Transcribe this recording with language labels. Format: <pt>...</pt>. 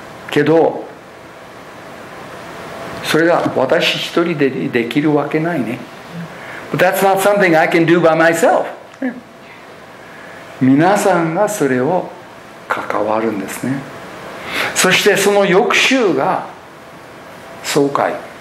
<ja>けど、それが私一人でできるわけないね。</ja> <en>But that's not something I can do by myself.</en> <ja>皆さんがそれを関わるんですね。そしてその翌週が総会。</ja>